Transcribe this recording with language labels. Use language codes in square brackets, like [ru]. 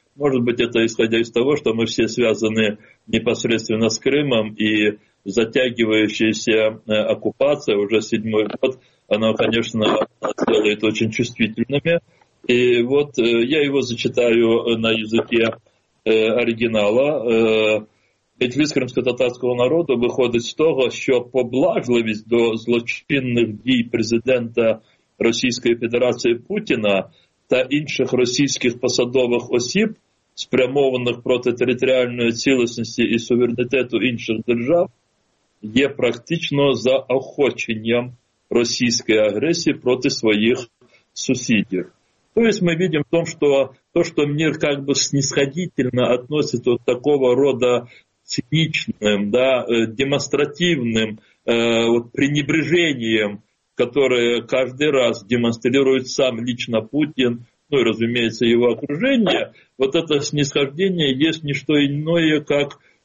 [ru] Может быть, это исходя из того, что мы все связаны непосредственно с Крымом, и затягивающаяся оккупация уже 7-й год, она, конечно, делает очень чувствительными. И вот я его зачитаю на языке оригинала. [uk] «Меджліс кримськотатарського народу виходить з того, що поблажливість до злочинних дій президента Російської Федерації Путіна та інших російських посадових осіб, спрямованих проти територіальної цілісності і суверенітету інших держав, є практично заохоченням російської агресії проти своїх сусідів». [ru] То есть мы видим в том, что то, что мир как бы снисходительно относится вот такого рода циничным, да, демонстративным вот пренебрежением, которое каждый раз демонстрирует сам лично Путин, ну и, разумеется, его окружение, вот это снисхождение есть не что иное, как